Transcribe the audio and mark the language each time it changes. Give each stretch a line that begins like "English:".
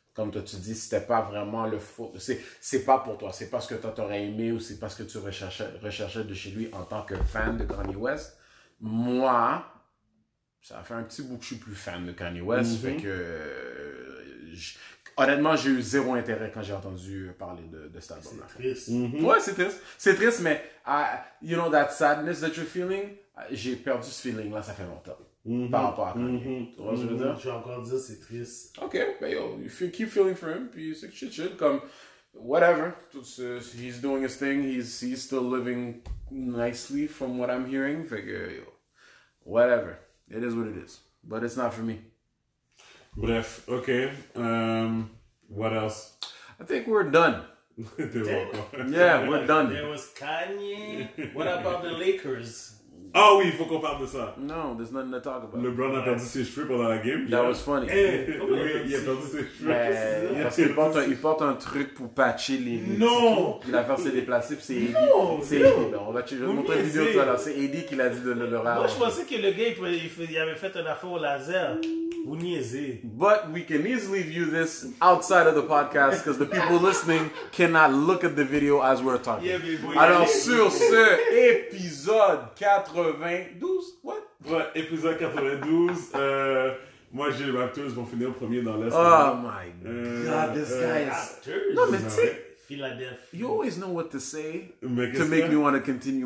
French: Comme toi, tu dis, c'était pas vraiment le focus. C'est pas pour toi. C'est pas ce que toi t'aurais aimé ou c'est pas ce que tu recherchais de chez lui en tant que fan de Kanye West. Moi, ça a fait un petit bout que je suis plus fan de Kanye West. Mm-hmm. Fait que. Honnêtement, j'ai eu zéro intérêt quand j'ai entendu parler de cet album-là. C'est triste. Mm-hmm. Ouais, c'est triste. C'est triste, mais
English: you know that sadness that you're feeling?
French: J'ai perdu ce feeling-là, ça fait longtemps. Mm-hmm. Par rapport à Kanye. Tu vois ce que je veux dire? Je vais encore dire, c'est triste.
English: Ok, mais yo, you keep feeling for him,
French: puis c'est
English: shit, comme, whatever. He's doing his thing, he's still living nicely from what I'm hearing.
French: Fait que,
English: yo, whatever. It is what it is. But it's not for me. Bref, ok. What else? I think we're done. Yeah, we're done. There was Kanye. What about the Lakers?
French: Ah oui, il faut qu'on parle de ça.
English: No, there's nothing to talk about.
French: LeBron a perdu ses cheveux pendant la game.
English: That was funny.
French: Oui, il a perdu ses cheveux. Parce qu'il porte un, il porte un truc pour patcher les... Non! Il a fait se déplacer, puis c'est Eddie. Non, c'est Eddie. Je vais montrer une vidéo de ça. C'est Eddie qui l'a dit de le rare. Moi, je pensais que le gars, il avait fait un affaire au laser. Vous niaisez.
English: But we can easily view this outside of the podcast, because the people listening cannot look at the video as we're talking.
French: Alors, sur ce épisode 92,
English: what?
French: Ouais, épisode 92, moi j'ai les Raptors vont finir premier dans l'Est.
English: Oh my god, this guy is...
French: Non mais tu sais, Philadelphie.
English: You always know what to say to make me want to continue.